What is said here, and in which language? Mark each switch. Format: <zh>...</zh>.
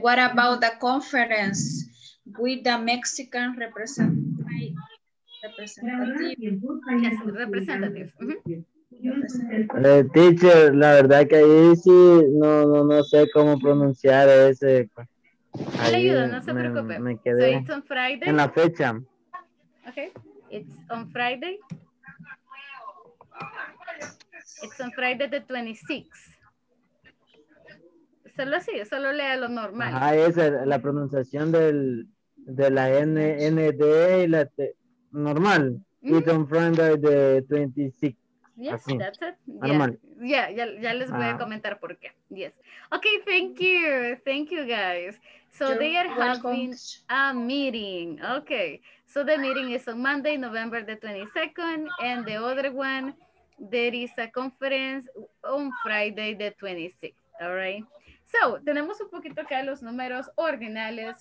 <en>What about the conference with the Mexican representative? Mm-hmm.</en> <es>Teacher, la verdad que ahí sí, no sé cómo pronunciar ese. Ahí ayuda, no se preocupe. Me quedé.</es> <en>So it's on Friday.</en> <es>En la fecha.</es> <en>Okay, it's on Friday. It's on Friday the 26th.</en> <es>solo así, solo lea lo normal. Ajá, esa es la pronunciación del, de la N, N, D, y la T, normal.</es> <en>Mm-hmm. It's on Friday the 26th. Yes, así. That's it.</en> <es>Yeah, yeah, ya, ya les voy a comentar por qué.</es> <en>Yes. Okay, thank you guys. So you're they are welcome. Having a meeting. Okay, so the meeting is on Monday, November the 22nd, and the other one, there is a conference on Friday the 26th. All right.</en> <es>So tenemos un poquito acá los números ordinales.</es>